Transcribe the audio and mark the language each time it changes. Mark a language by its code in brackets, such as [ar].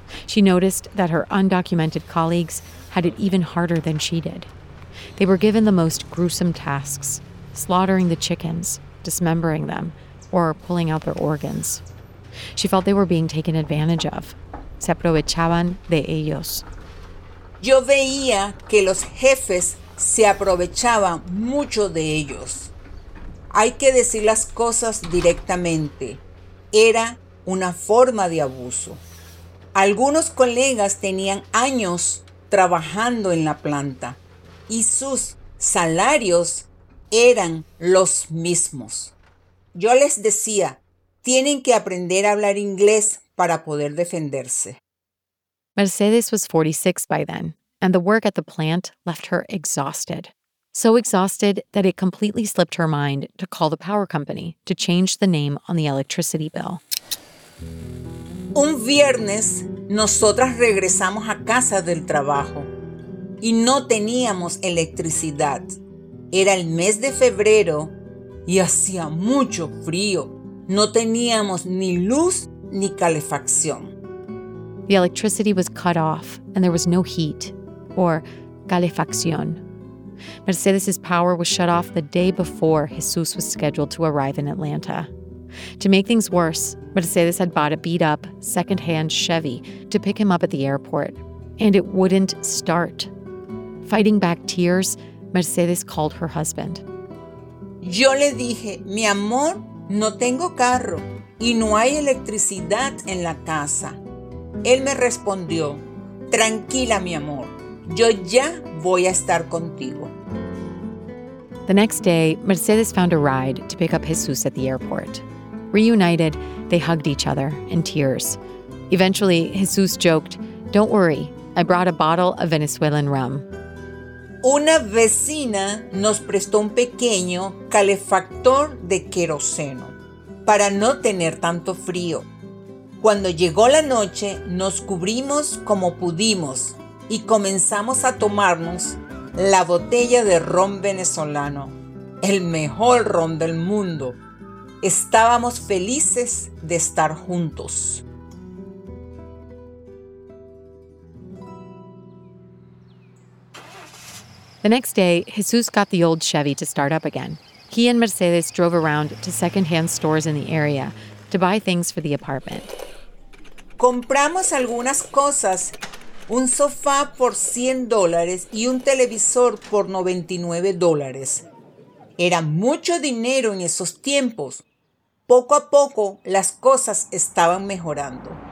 [en] She noticed that her undocumented colleagues had it even harder than she did. They were given the most gruesome tasks, slaughtering the chickens, dismembering them, or pulling out their organs. She felt they were being taken advantage of. [es] Se aprovechaban de ellos. Yo veía que los jefes se aprovechaban mucho de ellos. Hay que decir las cosas directamente. Era una forma de abuso. Algunos colegas tenían años trabajando en la planta. Y sus salarios eran los mismos. Yo les decía, tienen que aprender a hablar inglés para poder defenderse. [en] Mercedes was 46 by then, and the work at the plant left her exhausted. So exhausted that it completely slipped her mind to call the power company to change the name on the electricity bill. [es] Un viernes, nosotras regresamos a casa del trabajo. Y no teníamos electricidad. Era el mes de febrero y hacía mucho frío. No teníamos ni luz ni calefacción. [en] The electricity was cut off and there was no heat, or calefacción. Mercedes's power was shut off the day before Jesus was scheduled to arrive in Atlanta. To make things worse, Mercedes had bought a beat-up, second-hand Chevy to pick him up at the airport. And it wouldn't start. Fighting back tears, Mercedes called her husband. [es] Yo le dije, mi amor, no tengo carro y no hay electricidad en la casa. Él me respondió, tranquila, mi amor, yo ya voy a estar contigo. [en] The next day, Mercedes found a ride to pick up Jesus at the airport. Reunited, they hugged each other in tears. Eventually, Jesus joked, don't worry, I brought a bottle of Venezuelan rum. [es] Una vecina nos prestó un pequeño calefactor de queroseno para no tener tanto frío. Cuando llegó la noche, nos cubrimos como pudimos y comenzamos a tomarnos la botella de ron venezolano, el mejor ron del mundo. Estábamos felices de estar juntos. [en] The next day, Jesus got the old Chevy to start up again. He and Mercedes drove around to secondhand stores in the area to buy things for the apartment. [es] Compramos algunas cosas, un sofá por $100 y un televisor por $99. Era mucho dinero en esos tiempos. Poco a poco, las cosas estaban mejorando.